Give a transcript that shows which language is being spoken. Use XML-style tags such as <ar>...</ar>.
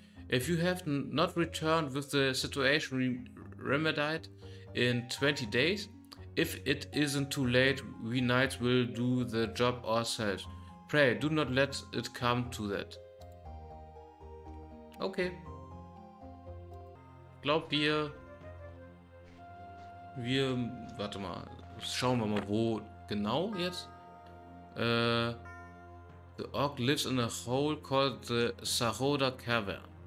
<en>If you have not returned with the situation remedied in 20 days, if it isn't too late, we knights will do the job ourselves. Pray, do not let it come to that. Okay.</en> <de>glaub, warte mal, schauen wir mal, wo genau jetzt?</de> <en>The Orc lives in a hole called the Saroda Cavern.</en>